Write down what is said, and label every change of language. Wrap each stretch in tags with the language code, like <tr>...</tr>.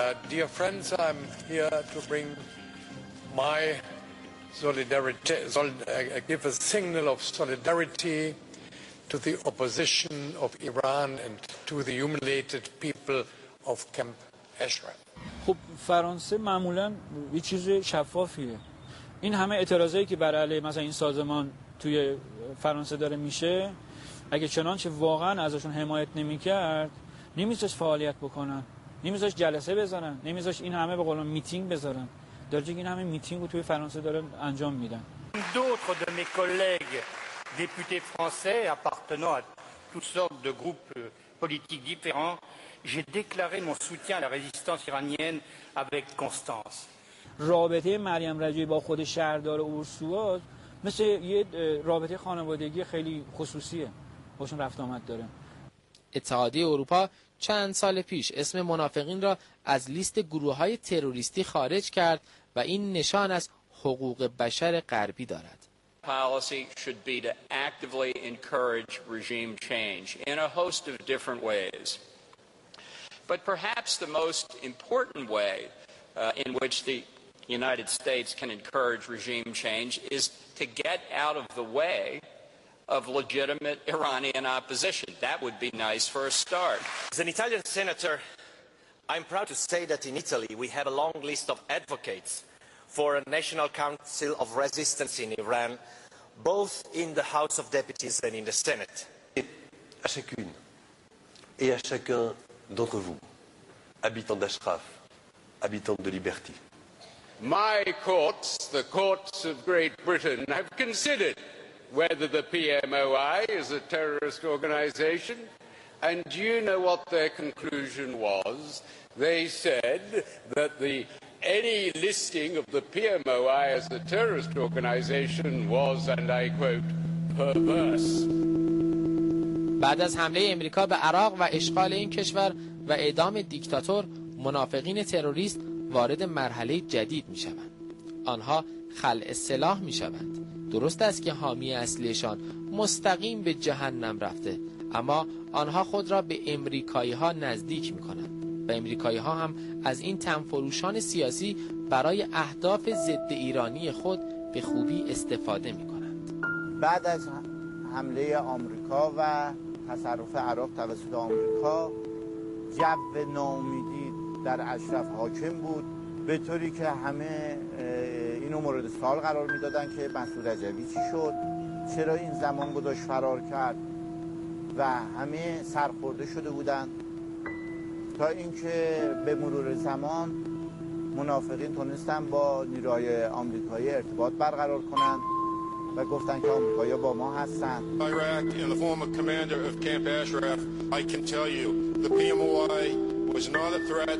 <en>Dear friends, I'm here to bring my solidarity, give a signal of solidarity to the opposition of Iran and to the humiliated people of Camp Ashraf.</en> <fa>خب فرانسه معمولا یه چیز شفافیه. این همه اعتراضایی که بر علیه مثلا این سازمان توی فرانسه داره میشه، اگه چنانچه واقعا ازشون حمایت نمی‌کرد، نمی‌ذاش فعالیت بکنن، نمی‌ذاش جلسه بزنن، نمی‌ذاش این همه به قول من میتینگ بذارن. درجه این همه میتینگ رو توی فرانسه دارن انجام میدن.</fa> <fr>D'autres de mes collègues députés français appartenant à toutes sortes de groupes politiques différents J'ai déclaré mon soutien à la résistance iranienne avec constance.</fr> <fa>رابطه مریم رجوی با خود شهردار اورسوا مثل یه رابطه خانوادگی خیلی خصوصیه. باشون رفت آمد داره. اتحادیه اروپا چند سال پیش اسم منافقین را از لیست گروه‌های تروریستی خارج کرد و این نشان از حقوق بشر غربی دارد.</fa> <en>Policy should be to actively encourage regime change in a host of different ways. But perhaps the most important way in which the United States can encourage regime change is to get out of the way of legitimate Iranian opposition. That would be nice for a start. As an Italian senator, I'm proud to say that in Italy we have a long list of advocates for a National Council of Resistance in Iran, both in the House of Deputies and in the Senate.</en> <fr>Et à chacune et à chacun d'entre vous, habitants d'Ashraf, habitants de Liberty.</fr> <en>My courts, the courts of Great Britain, have considered whether the PMOI is a terrorist organization. And do you know what their conclusion was? They said that any listing of the PMOI as a terrorist organization was, and I quote, perverse.</en> <fa>بعد از حمله امریکا به عراق و اشغال این کشور و اعدام دیکتاتور، منافقین تروریست وارد مرحله جدید می شوند. آنها خلع سلاح می شوند. درست است که حامی اصلیشان مستقیم به جهنم رفته، اما آنها خود را به امریکایی ها نزدیک می کنند و امریکایی ها هم از این تنفروشان سیاسی برای اهداف ضد ایرانی خود به خوبی استفاده می کنند. بعد از حمله آمریکا و تصرف عراق توسط آمریکا، جو ناامیدی در اشرف حاکم بود، به طوری که همه اینو مورد سوال قرار میدادن که مسعود رجوی چی شد، چرا این زمان گذاشت فرار کرد، و همه سرخورده شده بودن تا اینکه به مرور زمان منافقین تونستن با نیروهای آمریکایی ارتباط برقرار کنن و گفتن که آمریکایی‌ها با ما هستن.</fa> <en>Iraq, in the form of commander of Camp Ashraf, I can tell you the PMOI was not a threat.</en>